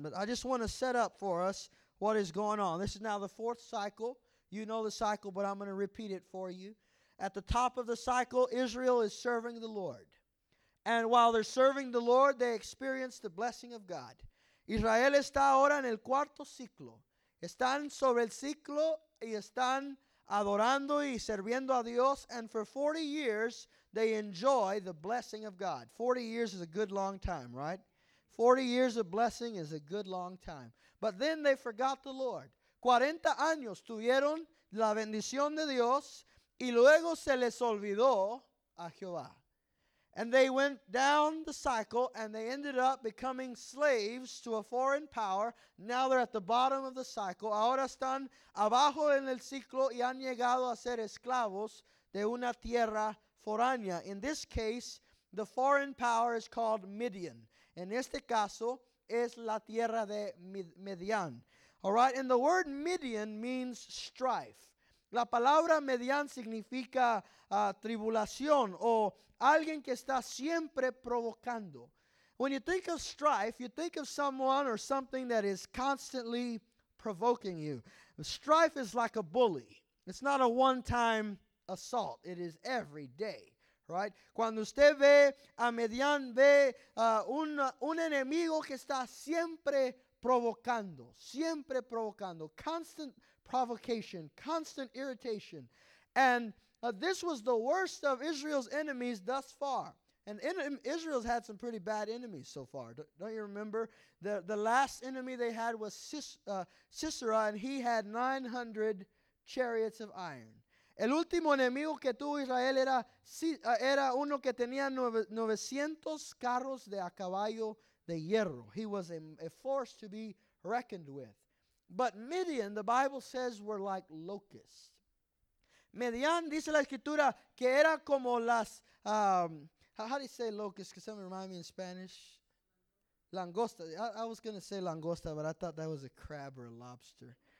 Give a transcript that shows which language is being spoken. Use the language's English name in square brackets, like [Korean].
[English] But I just want to set up for us what is going on. This is now the fourth cycle. You know the cycle, but I'm going to repeat it for you. At the top of the cycle, Israel is serving the Lord. And while they're serving the Lord, they experience the blessing of God. [Spanish] Israel está ahora en el cuarto ciclo. Están sobre el ciclo y están adorando y sirviendo a Dios. [English] And for 40 years, they enjoy the blessing of God. 40 years is a good long time, right? 40 years of blessing is a good long time. But then they forgot the Lord. 40 años tuvieron la bendición de Dios. [Spanish] Y luego se les olvidó a Jehová. [English] And they went down the cycle and they ended up becoming slaves to a foreign power. Now they're at the bottom of the cycle. [Spanish] Ahora están abajo en el ciclo y han llegado a ser esclavos de una tierra foránea. [English] In this case, the foreign power is called Midian. [Spanish] En este caso, es la tierra de Midian. [English] All right, and the word Midian means strife. [Spanish] La palabra Midian significa tribulación o alguien que está siempre provocando. [English] When you think of strife, you think of someone or something that is constantly provoking you. Strife is like a bully. It's not a one-time assault. [Spanish] It is every day, right? Cuando usted ve a Midian, ve un enemigo que está siempre provocando, siempre provocando, constant provocation, constant irritation. [English] And this was the worst of Israel's enemies thus far. And Israel's had some pretty bad enemies so far. Don't you remember? The last enemy they had was Sisera, and he had 900 chariots of iron. [Spanish] El último enemigo que tuvo Israel era uno que tenía 900 carros de a caballo de hierro. [English] He was a force to be reckoned with. But Midian, the Bible says, were like locusts. [Spanish] Midian, dice la escritura, que era como las, how do you say locust? [English] Because someone remind me in Spanish. Langosta. I was going to say langosta, but I thought that was a crab or a lobster.